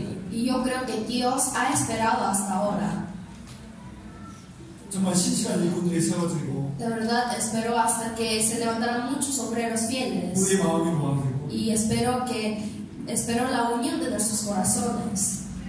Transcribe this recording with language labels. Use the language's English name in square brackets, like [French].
[Spanish] Y yo creo que Dios ha esperado hasta ahora. [Korean] 정말 신실한 일꾼들이 세워지고 [Spanish] de verdad espero hasta que se levantaran muchos obreros fieles [Korean] 우리 마음이 모아지고 [Spanish] y espero que espero la unión de nuestros corazones